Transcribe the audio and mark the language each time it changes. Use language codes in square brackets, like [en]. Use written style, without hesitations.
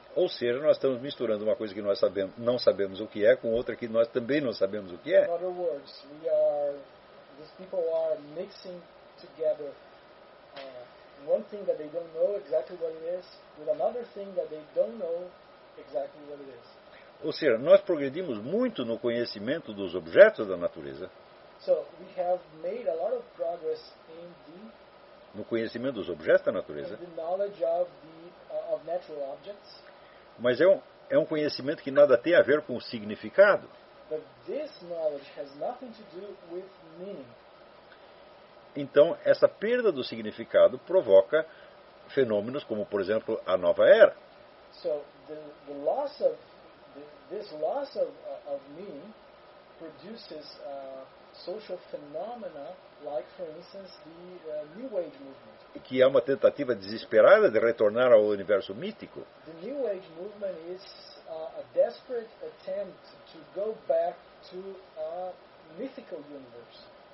[pt] Ou seja, nós estamos misturando uma coisa que nós sabemos, não sabemos o que é com outra que nós também não sabemos o que é. [en] In other words, these people are mixing together one thing that they don't know exactly what it is with another thing that they don't know exactly what it is. [pt] Ou seja, nós progredimos muito no conhecimento dos objetos da natureza. [en] So we have made a lot of progress in the [pt] no conhecimento dos objetos da natureza. [en] The knowledge of the of natural objects. [pt] Mas é um conhecimento que nada tem a ver com o significado. [en] But this knowledge has nothing to do with meaning. [pt] Então, essa perda do significado provoca fenômenos como, por exemplo, a nova era. [en] So, the loss of this loss of meaning produces social phenomena like, for instance, the New Age movement. [pt] Que é uma tentativa desesperada de retornar ao universo mítico. [en] The New Age movement is a desperate attempt to go back to a mythical universe.